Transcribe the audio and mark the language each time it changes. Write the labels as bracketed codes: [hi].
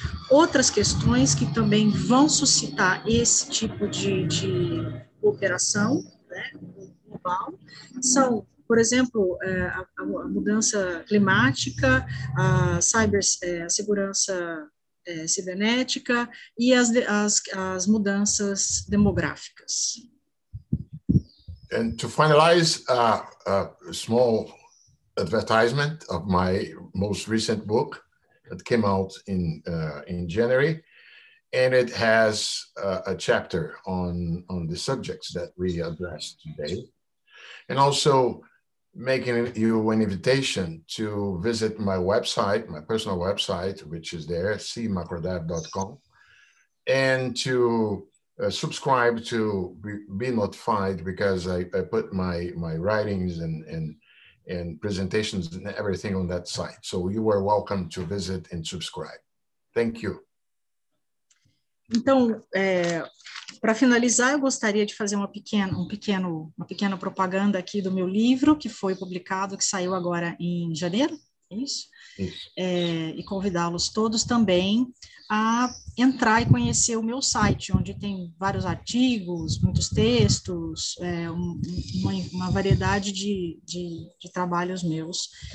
[pt] Outras questões que também vão suscitar esse tipo de cooperação, né, global, são, por exemplo, a mudança climática, a segurança cibernética e as mudanças demográficas. [en] And to finalize, a small advertisement of my most recent book that came out in January, and it has a chapter on the subjects that we addressed today, and also making you an invitation to visit my website, my personal website, which is there, cmacrodev.com, and to subscribe to be notified, because I put my writings and presentations and everything on that site. So you are welcome to visit and subscribe. Thank you. [pt] Então, para finalizar, eu gostaria de fazer uma pequena propaganda aqui do meu livro, que foi publicado, que saiu agora em janeiro, isso? E convidá-los todos também a entrar e conhecer o meu site, onde tem vários artigos, muitos textos, uma variedade de trabalhos meus.